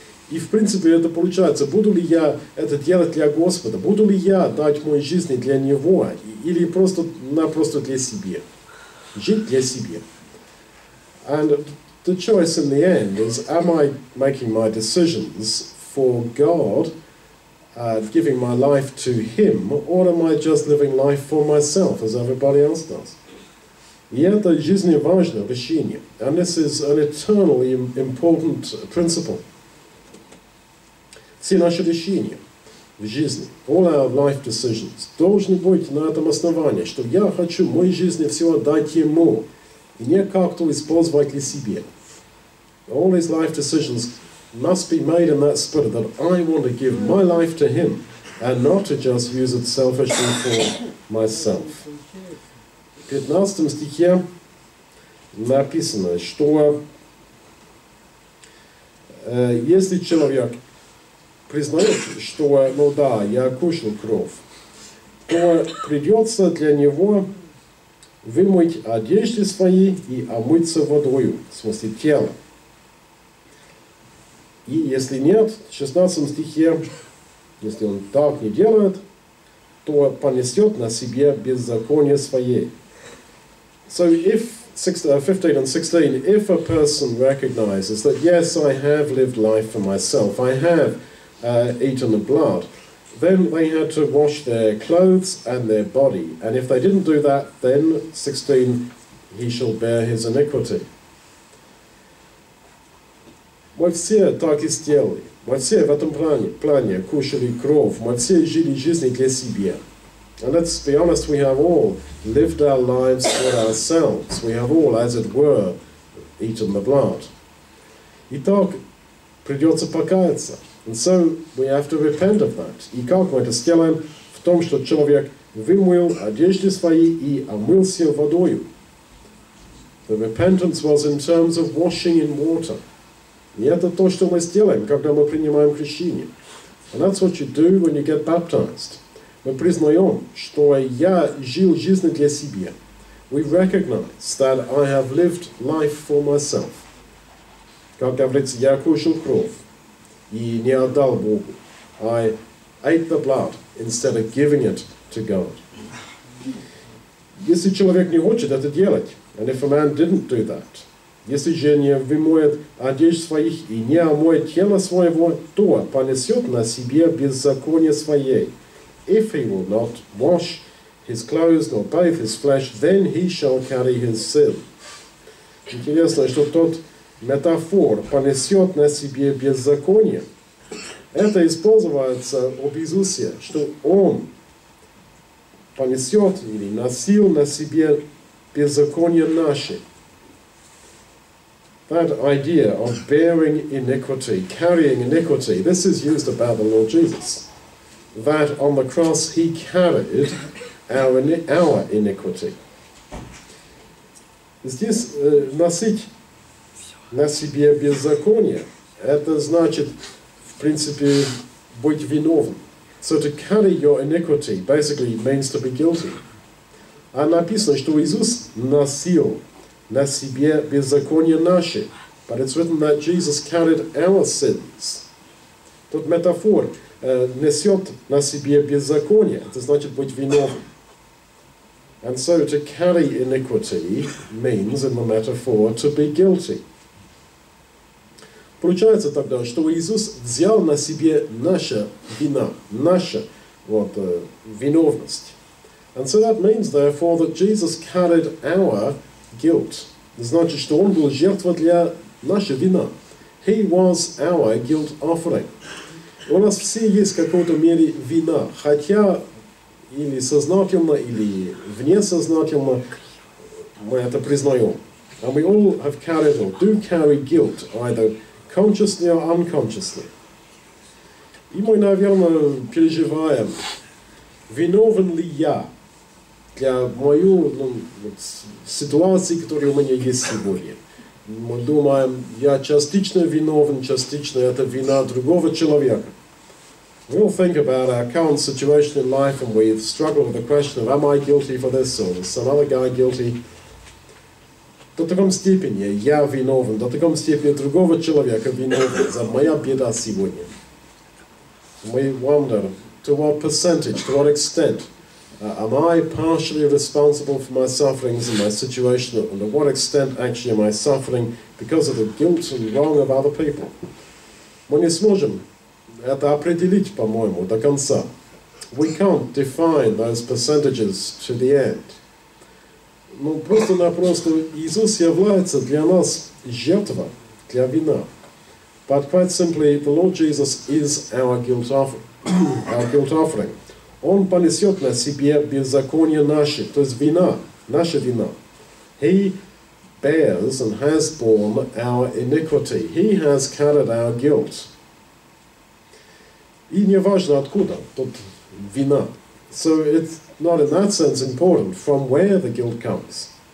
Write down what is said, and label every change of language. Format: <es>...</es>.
<ru>И, в принципе, это получается, буду ли я это делать для Господа, буду ли я дать мою жизнь для Него, или просто, ну, просто для себя, жить для себя.</ru> <en>And the choice in the end is, am I making my decisions for God, giving my life to him, or am I just living life for myself, as everybody else does?</en> <ru>И это жизненно-важное решение.</ru> <en>And this is an eternally important principle.</en> <ru>Все наши решения в жизни,</ru> <en>all our life decisions,</en> <ru>должны быть на этом основании, что я хочу в моей жизни все отдать ему, и не как-то использовать для себя.</ru> <en>All these life decisions must be made in that spirit that I want to give my life to him and not to just use it selfishly for myself.</en> <ru>В 15 стихе написано, что если человек признает, что, ну да, я кушал кровь, то придется для него вымыть одежды свои и омыться водою, в смысле тела. И если нет, в 16 стихе, если он так не делает, то понесет на себе беззаконие свое.</ru> <en>So if 15 and 16, if a person recognizes that, yes, I have lived life for myself, I have eaten the blood, then they had to wash their clothes and their body. And if they didn't do that, then 16, he shall bear his iniquity.</en> <ru>Мы все так и сделали. Мы все в этом плане кушали кровь. Мы все жили жизнью для себя.</ru> <en>And let's be honest, we have all lived our lives for ourselves. We have all, as it were, eaten the blood.</en> <ru>Итак, придется покаяться.</ru> <en>And so we have to repent of that.</en> <ru>И как мы это сделаем? В том, что человек вымыл одежды свои и омылся водою.</ru> <en>The repentance was in terms of washing in water.</en> <ru>И это то, что мы сделаем, когда мы принимаем крещение.</ru> <en>And that's what you do when you get baptized.</en> <ru>Мы признаем, что я жил жизнью для себя.</ru> <en>we recognize that I have lived life for myself.</en> <ru>Как говорится, я кушал кровь и не отдал Богу.</ru> <en>I ate the blood instead of giving it to God.</en> <ru>Если человек не хочет это делать,</ru> <en>and if a man didn't do that,</en> <ru>если же не вымоет одежд своих и не омоет тело своего, то понесет на себе беззаконие свое.</ru> <en>If he will not wash his clothes nor bathe his flesh, then he shall carry his sin.</en> <ru>Интересно, что тот метафор понесет на себе беззаконие. Это используется об Иисусе, что он понесет или носил на себе беззаконие наше.</ru> <en>That idea of bearing iniquity, carrying iniquity, this is used about the Lord Jesus. That on the cross he carried our iniquity.</en> <ru>Здесь носить на себе беззаконие, это значит, в принципе, быть виновным.</ru> <en>So to carry your iniquity basically means to be guilty.</en> <ru>А написано, что Иисус носил на себе беззаконие наше.</ru> <en>But it's written that Jesus carried our sins.</en> <ru>Тут метафор несет на себе беззаконие. Это значит быть виновным.</ru> <en>And so to carry iniquity means, in the metaphor, to be guilty.</en> <ru>Получается тогда, что Иисус взял на себе наша вина, наша виновность.</ru> <en>And so that means, therefore, that Jesus carried our guilt.</en> <ru>Значит, что Он был жертвой для нашей вины.</ru> <en>He was our guilt offering.</en> <ru>У нас все есть какой-то мере вина, хотя или сознательно, или внесознательно мы это признаем.</ru> <en>And we all have carried or do carry guilt, either consciously or unconsciously.</en> <ru>И мы, наверное, переживаем, виновен ли я для мою ситуации, которая у меня есть сегодня. Мы думаем, я частично виновен, частично это вина другого человека.</ru> <en>We all think about our current situation in life and we struggle with the question of, am I guilty for this or is some other guy guilty?</en> <ru>До таком степени я виновен, до таком степени другого человека виновен за моя беда сегодня.</ru> <en>We wonder, to what percentage, to what extent am I partially responsible for my sufferings and my situation, and to what extent actually am I suffering because of the guilt and wrong of other people?</en> <ru>Мы не сможем это определить, по-моему, до конца.</ru> <en>We can't define those percentages to the end.</en> <ru>Ну, просто-напросто, Иисус является для нас жертва, для вина.</ru> <en>But quite simply, the Lord Jesus is our guilt our guilt offering.</en> <ru>Он понесет на себе беззаконие наше, то есть вина, наша вина.</ru> <en>He bears and has borne our iniquity. He has carried our guilt.</en> <ru>И не важно откуда тут вина.</ru> <en>So it's not in that sense important from where the guilt comes.</en>